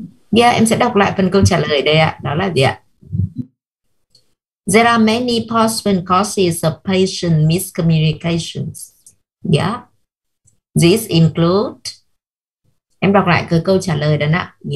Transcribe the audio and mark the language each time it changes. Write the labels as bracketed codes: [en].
[en] Yeah, [vi] em sẽ đọc lại phần câu trả lời đây ạ. Đó là gì ạ? [en] There are many possible causes of patient miscommunications. Yeah. This include. [vi] Em đọc lại cái câu trả lời đó nè.